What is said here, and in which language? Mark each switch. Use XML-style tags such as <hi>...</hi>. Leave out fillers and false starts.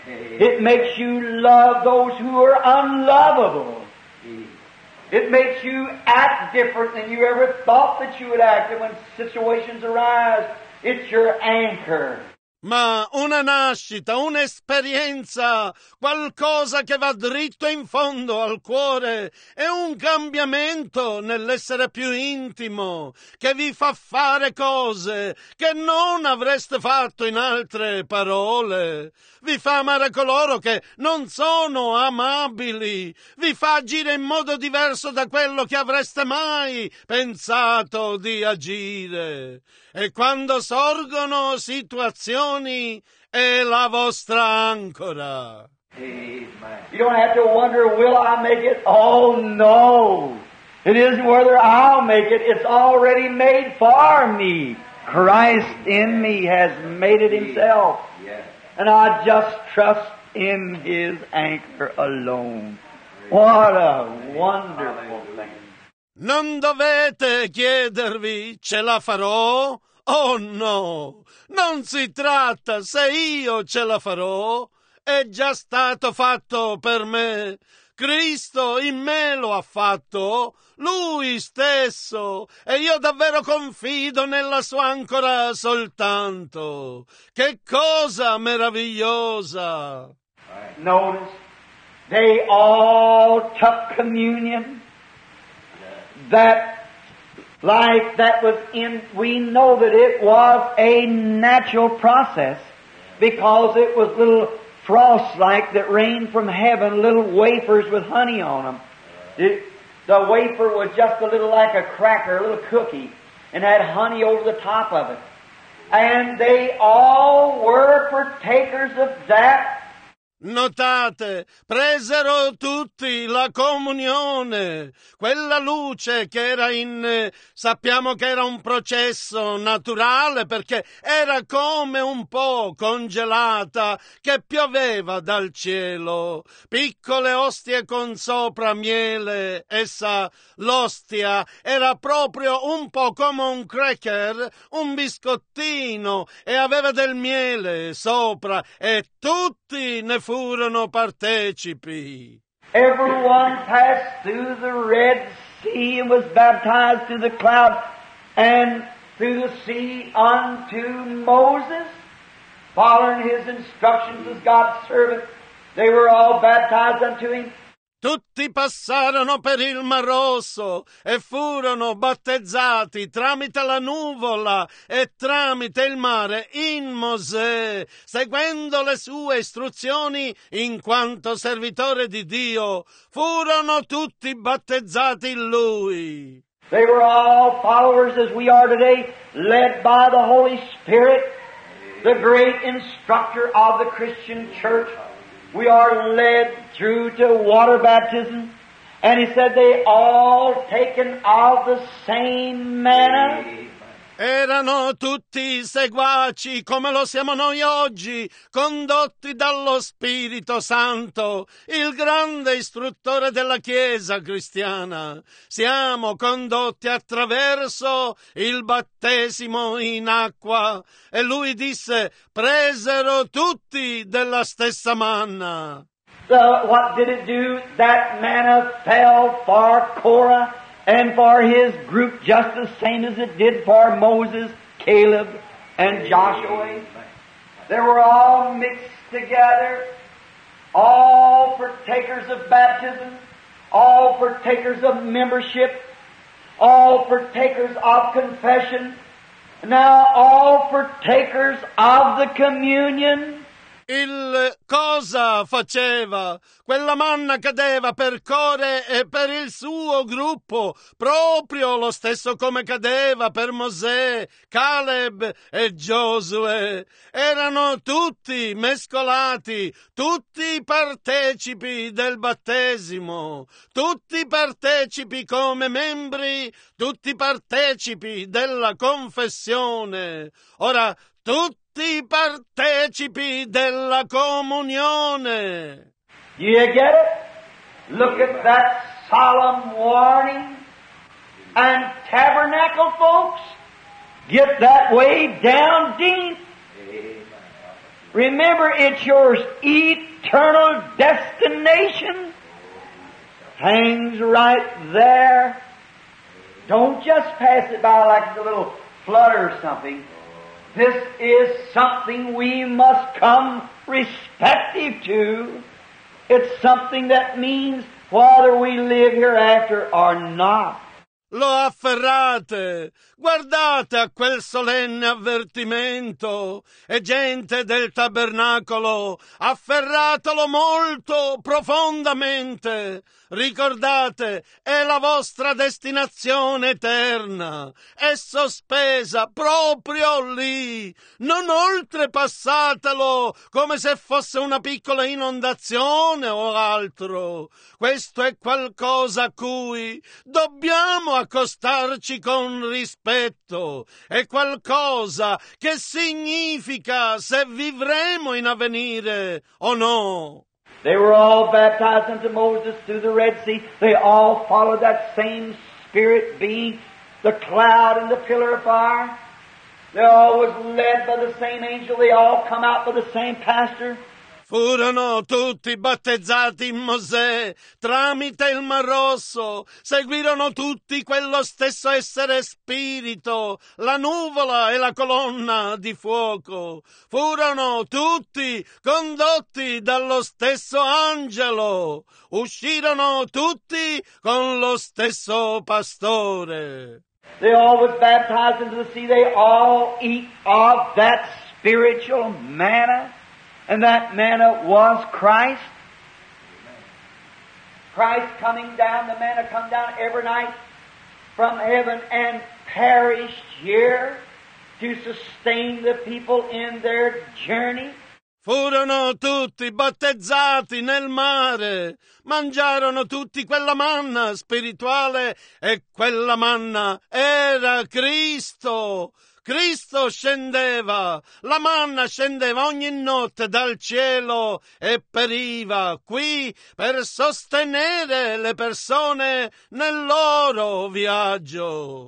<en>It makes you love those who are unlovable. It makes you act different than you ever thought that you would act. And when situations arise, it's your anchor.</en> <it>Ma una nascita, un'esperienza, qualcosa che va dritto in fondo al cuore, è un cambiamento nell'essere più intimo, che vi fa fare cose che non avreste fatto in altre parole. Vi fa amare coloro che non sono amabili, vi fa agire in modo diverso da quello che avreste mai pensato di agire. E quando sorgono situazioni, è la vostra ancora. Amen.</it> <en>You don't have to wonder, will I make it? Oh no! It isn't whether I'll make it, it's already made for me. Christ in me has made it himself. And I just trust in his anchor alone. What a wonderful thing.</en> <it>Non dovete chiedervi, ce la farò? Oh no, non si tratta se io ce la farò, è già stato fatto per me. Cristo in me lo ha fatto, Lui stesso, e io davvero confido nella sua ancora soltanto. Che cosa meravigliosa!</it> <en>Notice, they all took communion. That life that was in, we know that it was a natural process because it was little frost-like that rained from heaven, little wafers with honey on them. The wafer was just a little like a cracker, a little cookie, and had honey over the top of it. And they all were partakers of that.</en> <it>Notate, presero tutti la comunione, quella luce che era in, sappiamo che era un processo naturale perché era come un po' congelata che pioveva dal cielo, piccole ostie con sopra miele, essa l'ostia era proprio un po' come un cracker, un biscottino e aveva del miele sopra e tutti ne furono partecipi.</it> <en>Everyone passed through the Red Sea and was baptized through the cloud and through the sea unto Moses, following his instructions as God's servant. They were all baptized unto him.</en> <it>Tutti passarono per il Mar Rosso e furono battezzati tramite la nuvola e tramite il mare in Mosè, seguendo le sue istruzioni in quanto servitore di Dio. Furono tutti battezzati in Lui.</it> <en>They were all followers as we are today, led by the Holy Spirit, the great instructor of the Christian Church. We are led through to water baptism. And he said they all taken of the same manner.</en> <it>Erano tutti seguaci come lo siamo noi oggi, condotti dallo Spirito Santo, il grande istruttore della Chiesa cristiana. Siamo condotti attraverso il battesimo in acqua. E lui disse, presero tutti della stessa manna.</it> <en>So what did it do? That manna fell for Korah and for his group just the same as it did for Moses, Caleb, and Joshua. They were all mixed together, all partakers of baptism, all partakers of membership, all partakers of confession, now all partakers of the communion.</en> <it>Il cosa faceva? Quella manna cadeva per Core e per il suo gruppo, proprio lo stesso come cadeva per Mosè, Caleb e Giosuè. Erano tutti mescolati, tutti partecipi del battesimo, tutti partecipi come membri, tutti partecipi della confessione. Ora, tutti partecipi della comunione.</it> <en>Do you get it? Look at that solemn warning. And tabernacle folks, get that way down deep. Remember, it's your eternal destination. Hangs right there. Don't just pass it by like a little flutter or something. This is something we must come respective to. It's something that means whether we live hereafter or not.</en> <it>Lo afferrate, guardate a quel solenne avvertimento, e gente del tabernacolo, afferratelo molto profondamente. Ricordate, è la vostra destinazione eterna, è sospesa proprio lì. Non oltrepassatelo come se fosse una piccola inondazione o altro. Questo è qualcosa a cui dobbiamo accostarci con rispetto. È qualcosa che significa se vivremo in avvenire o no.</it> <en>They were all baptized into Moses through the Red Sea. They all followed that same spirit being, the cloud and the pillar of fire. They all was led by the same angel. They all come out by the same pastor.</en> <it>Furono tutti battezzati in Mosè tramite il Mar Rosso. Seguirono tutti quello stesso essere spirito, la nuvola e la colonna di fuoco. Furono tutti condotti dallo stesso angelo. Uscirono tutti con lo stesso pastore.</it> <en>They all was baptized into the sea. They all eat of that spiritual manna. And that manna was Christ. Christ coming down, the manna come down every night from heaven and perished here to sustain the people in their journey.</en> <it>Furono tutti battezzati nel mare, mangiarono tutti quella manna spirituale e quella manna era Cristo. Cristo scendeva, la manna scendeva ogni notte dal cielo e periva qui per sostenere le persone nel loro viaggio.</it>